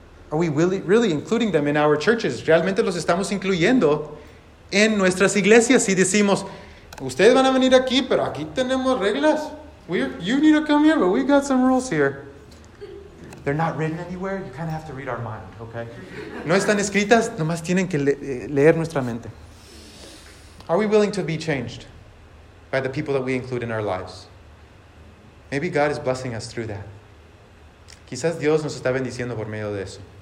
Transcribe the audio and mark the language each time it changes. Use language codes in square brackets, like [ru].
[en] Are we really including them in our churches? [es] ¿Realmente los estamos incluyendo en nuestras iglesias? Si decimos, ustedes van a venir aquí, pero aquí tenemos reglas. [en] You need to come here, but we got some rules here. They're not written anywhere. You kind of have to read our mind, okay? [es] No están escritas, nomás tienen que leer nuestra mente. [en] Are we willing to be changed by the people that we include in our lives? Maybe God is blessing us through that. [es] Quizás Dios nos está bendiciendo por medio de eso.